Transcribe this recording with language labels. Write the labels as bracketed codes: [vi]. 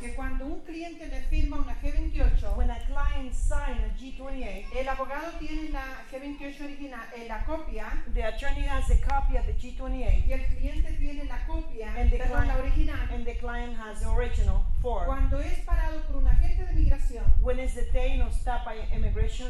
[es] que cuando un cliente le firma una G28, [en] when a client signs a G28, [es] el abogado tiene la G28 original, la copia, [en] the attorney has a copy of the G28, [es] y el cliente tiene la copia, [en] and the client, [es] la original, [en] and the client has the original form. [es] Cuando es parado por un agente de migración, [en] when is detained or stopped by an immigration